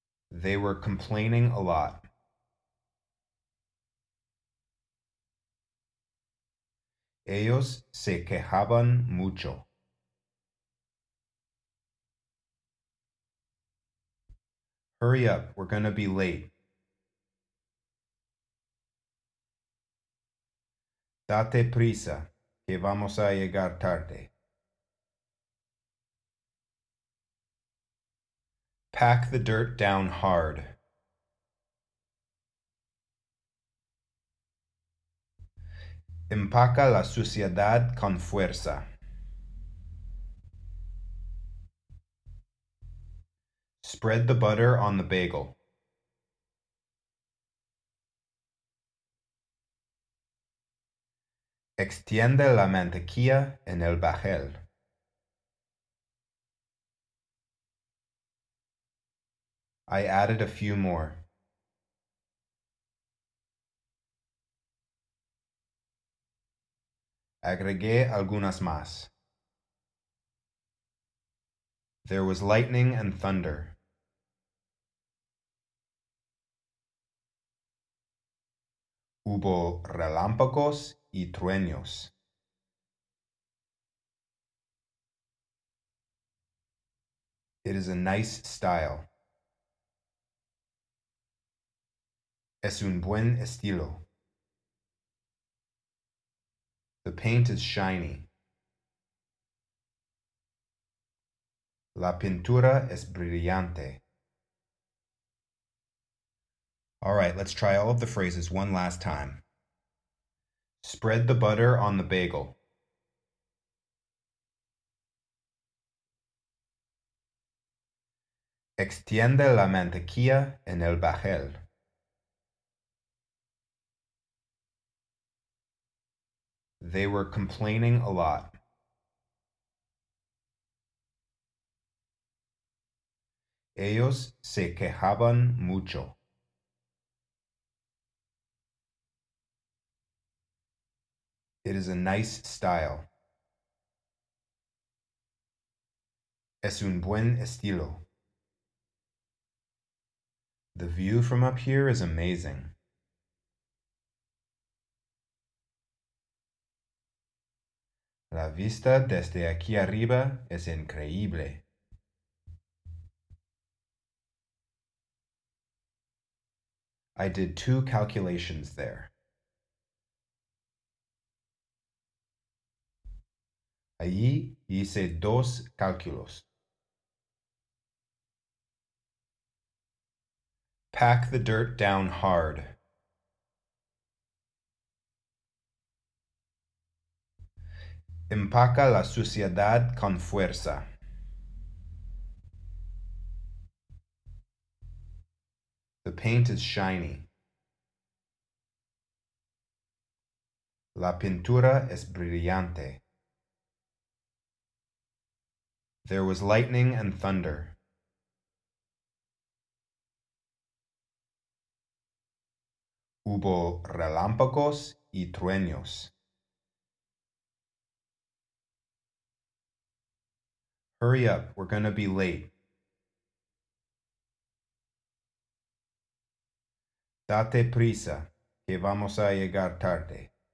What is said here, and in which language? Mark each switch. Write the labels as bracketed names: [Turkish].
[English] They were complaining a lot. [Spanish] Ellos se quejaban mucho. [English] Hurry up, we're gonna be late. [Spanish] Date prisa, que vamos a llegar tarde. [English] Pack the dirt down hard. [Spanish] Empaca la suciedad con fuerza. [English] Spread the butter on the bagel. [Spanish] Extiende la mantequilla en el bajel. [English] I added a few more. [Spanish] Agregué algunas más. [English] There was lightning and thunder. [Spanish] Hubo relámpagos y truenos. [English] It is a nice style. [Spanish] Es un buen estilo. [English] The paint is shiny. [Spanish] La pintura es brillante. [English] All right, let's try all of the phrases one last time. Spread the butter on the bagel. [Spanish] Extiende la mantequilla en el bajel. [English] They were complaining a lot. [Spanish] Ellos se quejaban mucho. [English] It is a nice style. [Spanish] Es un buen estilo. [English] The view from up here is amazing. [Spanish] La vista desde aquí arriba es increíble. [English] I did two calculations there. [Spanish] Allí hice dos cálculos. [English] Pack the dirt down hard. [Spanish] Empaca la suciedad con fuerza. [English] The paint is shiny. [Spanish] La pintura es brillante. [English] There was lightning and thunder. [Spanish] Hubo relámpagos y truenos. [English] Hurry up, we're gonna be late. [Spanish] Date prisa, que vamos a llegar tarde.